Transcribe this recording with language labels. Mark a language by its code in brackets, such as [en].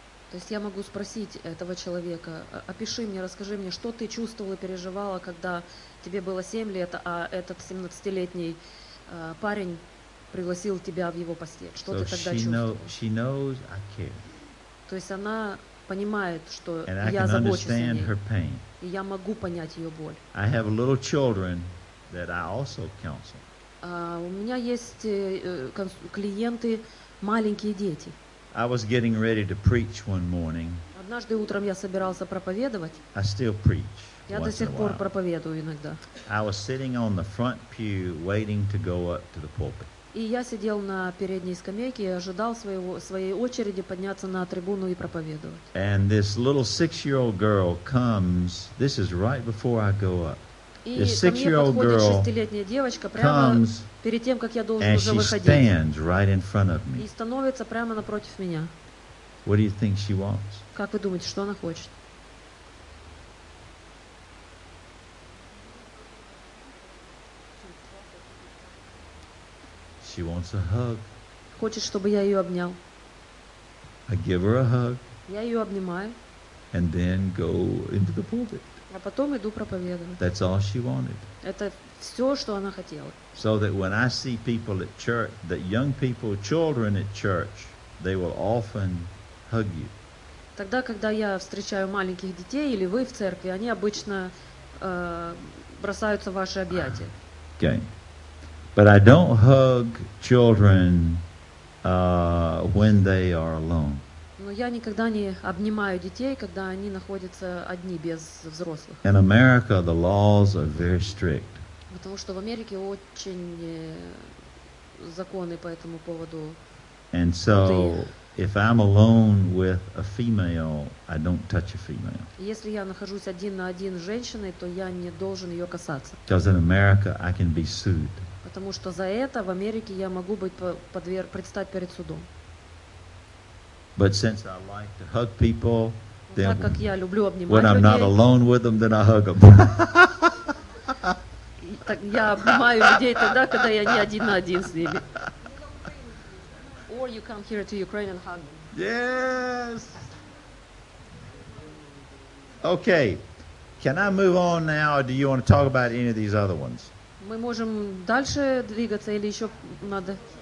[ru] То есть я могу спросить этого человека: опиши мне, расскажи мне, что ты чувствовала, переживала, когда тебе было 7 лет, а этот 17-летний парень пригласил тебя в его постель. Что ты тогда чувствовала? [en] She knows I care. [ru] То есть она понимает, что [en] and [ru] я [en] I can understand her pain. [ru] И я могу понять ее боль. [en] I have little children that I also counsel. [ru] У меня есть клиенты, маленькие дети. [en] I was getting ready to preach one morning. [ru] Однажды утром я собирался проповедовать. [en] I still preach. [ru] Я до сих пор проповедую иногда. [en] I was sitting on the front pew waiting to go up to the pulpit. [ru] И я сидел на передней скамейке и ожидал своей очереди подняться на трибуну и проповедовать. [en] And this little 6-year-old girl comes. This is right before I go up. [ru] И ко мне подходит 6-летняя девочка прямо перед тем, как я должен уже выходить. [en] And she stands right in front of me. [ru] И становится прямо напротив меня. [en] What do you think she wants? [ru] Как вы думаете, что она хочет? [en] She wants a hug. [ru] Хочет, чтобы я ее обнял. [en] I give her a hug. [ru] Я ее обнимаю. [en] And then go into the pulpit. [ru] А потом иду проповедовать. [en] That's all she wanted. [ru] Это все, что она хотела. [en] So that when I see people at church, that young people, children at church, they will often hug you. [ru] Тогда, когда я встречаю маленьких детей или вы в церкви, они обычно бросаются в ваши объятия. [en] Okay. But I don't hug children when they are alone. [ru] Но я никогда не обнимаю детей, когда они находятся одни без взрослых. [en] In America, the laws are very strict. [ru] Потому что в Америке очень законы по этому поводу. [en] And so, if I'm alone with a female, I don't touch a female. [ru] Если я нахожусь один на один с женщиной, то я не должен ее касаться. [en] Because in America, I can be sued. [ru] Потому что за это в Америке я могу быть предстать перед судом. [en] But since I like to hug people, then [ru] так как я люблю обнимать [en] when [ru] людей, [en] I'm not alone with them, then I hug them. [ru] Так я обнимаю людей тогда, когда я не один на один с ними. [en] Or you come here to Ukraine and hug them. Yes. Okay. Can I move on now, or do you want to talk about any of these other ones? [ru] Мы можем дальше двигаться или еще надо?